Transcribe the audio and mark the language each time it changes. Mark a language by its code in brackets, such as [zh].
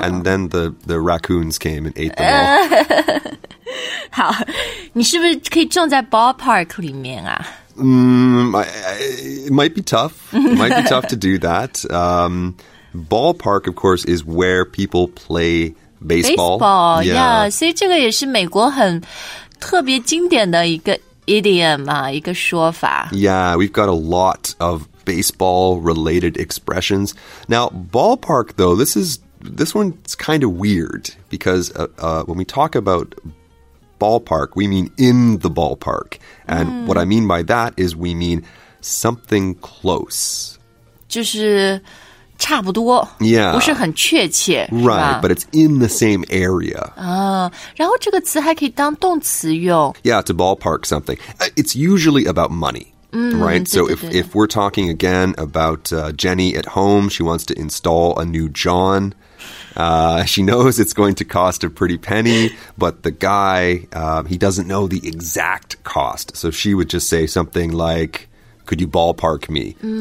[en] And then the raccoons came and ate them all. [zh] 好你是不是可以种在 ballpark 里面啊 [en] It might be tough. It might be tough to do that. Ballpark, of course, is where people play Baseball, yeah. [zh] 所以这个也是美国很特别经典的一个 idiom 啊，一个说法。 [en] Yeah, we've got a lot of baseball-related expressions. Now, ballpark, though, this one's kind of weird because when we talk about ballpark, we mean in the ballpark. And what I mean by that is we mean something close. [zh] 就是差不多 [en] yeah, [zh] 不是很确切 [en] Right, but it's in the same area. [zh] 然后这个词还可以当动词用 [en] Yeah, to ballpark something. It's usually about money, right? [zh] 对对对 [en] So if we're talking again about Jenny at home, she wants to install a new John. She knows it's going to cost a pretty penny, but the guy, he doesn't know the exact cost. So she would just say something like,Could you ballpark me?